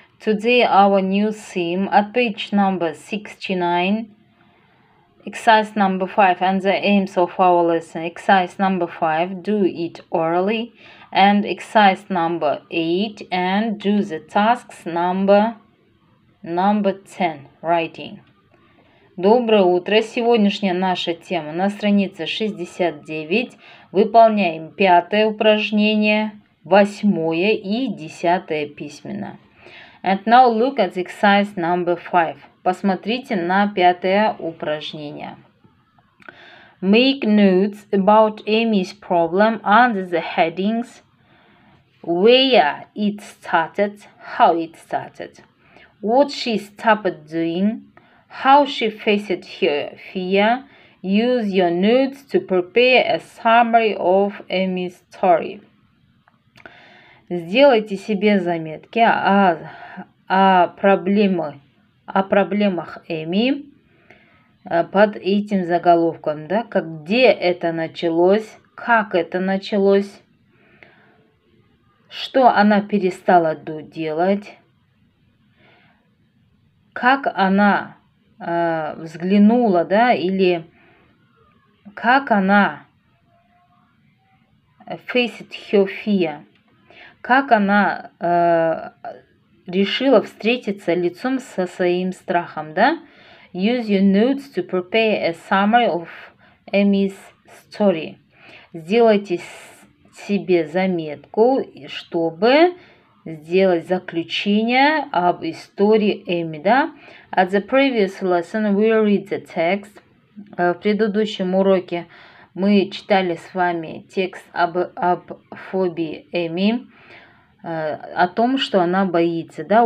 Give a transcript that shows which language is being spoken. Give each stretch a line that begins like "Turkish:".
English: Today our new theme at page number 69, exercise number 5, and the aims of our lesson. Exercise number 5, do it orally, and exercise number 8, and do the tasks number 10, writing.
Russian: Доброе утро! Сегодняшняя наша тема на странице 69. Выполняем 5-е упражнение, 8-е и 10-е письменно.
English: And now look at exercise number 5.
Russian: Посмотрите на 5-е упражнение.
English: Make notes about Amy's problem under the headings where it started, how it started, what she stopped doing, how she faced her fear. Use your notes to prepare a summary of Amy's story.
Russian: Сделайте себе заметки о проблемах Эми под этим заголовком, да? Как, где это началось, как это началось, что она перестала делать, как она взглянула, да, или как она
English: faced her fear,
Russian: как она решила встретиться лицом со своим страхом, да?
English: Use your notes to prepare a summary of Amy's story.
Russian: Сделайте себе заметку, чтобы сделать заключение об истории Эми, да?
English: At the previous lesson, we read the text.
Russian: В предыдущем уроке мы читали с вами текст об фобии Эми, о том, что она боится, да?